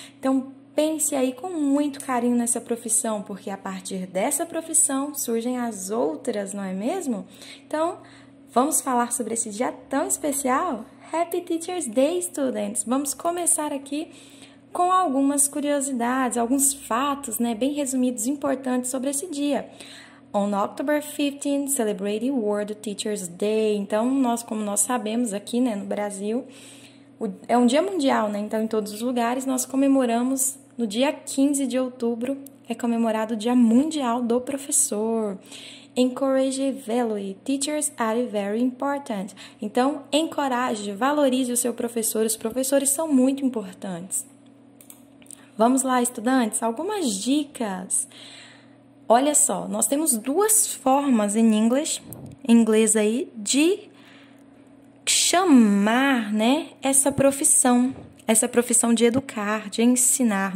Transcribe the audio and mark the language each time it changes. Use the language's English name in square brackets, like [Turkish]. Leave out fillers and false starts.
[Portuguese] Então, pense aí com muito carinho nessa profissão, porque a partir dessa profissão surgem as outras, não é mesmo? Então, vamos falar sobre esse dia tão especial? [English] Happy Teachers Day, students! [Portuguese] Vamos começar aqui com algumas curiosidades, alguns fatos, né, bem resumidos, importantes sobre esse dia. [English] On October 15th, celebrated World Teachers Day. [Portuguese] Então, nós, como nós sabemos aqui, né, no Brasil, é um dia mundial, né? Então, em todos os lugares, nós comemoramos no dia 15 de outubro, é comemorado o Dia Mundial do Professor. [English] Encourage and value. Teachers are very important. [Portuguese] Então, encoraje, valorize o seu professor. Os professores são muito importantes. Vamos lá, estudantes, algumas dicas. Olha só, nós temos duas formas em inglês, aí, de chamar, né, essa profissão de educar, de ensinar.